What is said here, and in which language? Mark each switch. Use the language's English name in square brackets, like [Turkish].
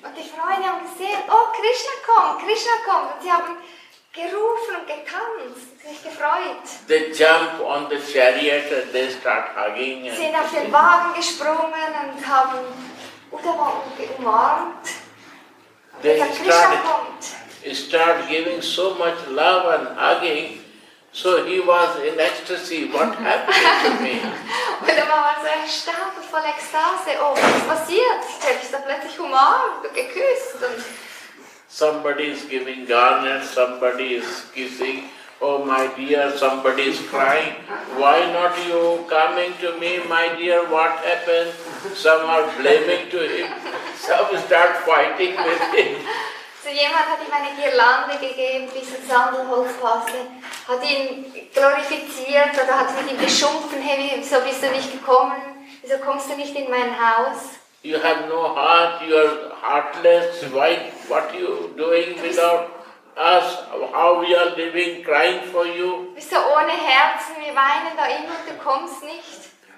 [German] Und die Freunde haben gesehen, oh, Krishna kommt, Krishna kommt. Und sie haben gerufen und getanzt, sich gefreut. [English] They jump on the chariot and they start hugging. [German] Sie sind auf den Wagen gesprungen und haben Uttama umarmt. [English] They start giving so much love and hugging. So he was in ecstasy. What happened to me? [German] Und er war so erstaunt und voll Ekstase. Oh, was passiert? Ich habe mich da plötzlich umarmt und geküsst. [English] Somebody is giving garnets, somebody is kissing. Oh, my dear, somebody is crying. Why not you coming to me, my dear? What happened? Some are blaming to him. Some start fighting with him. [German] So jemand hat ihm eine Girlande gegeben, diese Sandelholzpasse, hat ihn glorifiziert oder hat mit ihm geschumpfen, hey, wieso bist du nicht gekommen, wieso kommst du nicht in mein Haus? [English] You have no heart, you are heartless, why, what are you doing without us, how we are living, crying for you? [German] Wieso ohne Herzen, wir weinen da immer, du kommst nicht.